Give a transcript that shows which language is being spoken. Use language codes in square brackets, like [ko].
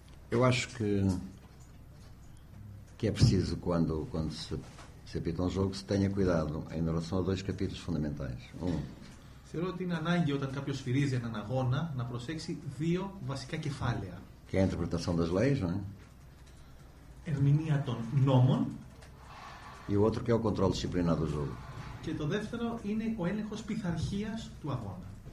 [pt] Eu acho que é preciso, quando se apita um jogo, se tenha cuidado em relação a dois capítulos fundamentais. [el] Θεωρώ ότι είναι ανάγκη όταν κάποιο σφυρίζει έναν αγώνα να προσέξει δύο βασικά κεφάλαια. Και η [pt] interpretação das leis, não é? [el] Ερμηνεία των νόμων. [pt] E o outro que é o controle disciplinar do jogo. [el] Και το δεύτερο είναι ο έλεγχος πειθαρχίας του αγώνα.